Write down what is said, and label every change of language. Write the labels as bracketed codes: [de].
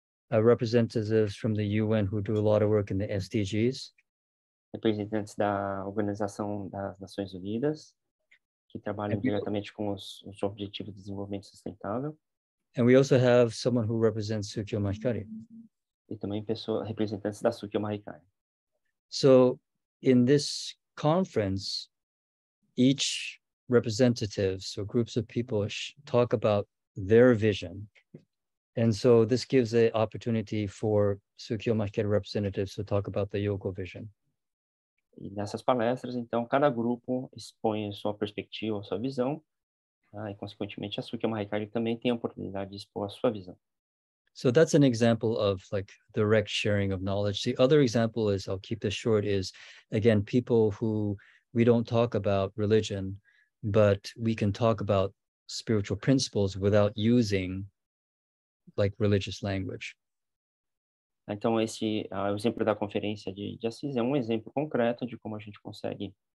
[en] Representatives from the UN who do a lot of work in the SDGs. [pt] Representantes da Organização das Nações Unidas, que trabalham diretamente com os objetivos de desenvolvimento sustentável. [en] And we also have someone who represents Sukyo Mahikari. [pt] E também representantes da Sukyo Mahikari. [en] So, in this conference, each representatives or groups of people talk about their vision. And so this gives an opportunity for Sukyo Mahikari representatives to talk about the Yoko vision. [pt] E nessas palestras, então, cada grupo expõe sua perspectiva, sua visão, e consequentemente a Sukyo Mahikari também tem a oportunidade de expor a sua visão. [en] So that's an example of like direct sharing of knowledge. The other example is, I'll keep this short, is again, people who we don't talk about religion, but we can talk about spiritual principles without using like religious language. [pt] Então, esse exemplo da conferência de Assis é um exemplo concreto de como a gente consegue.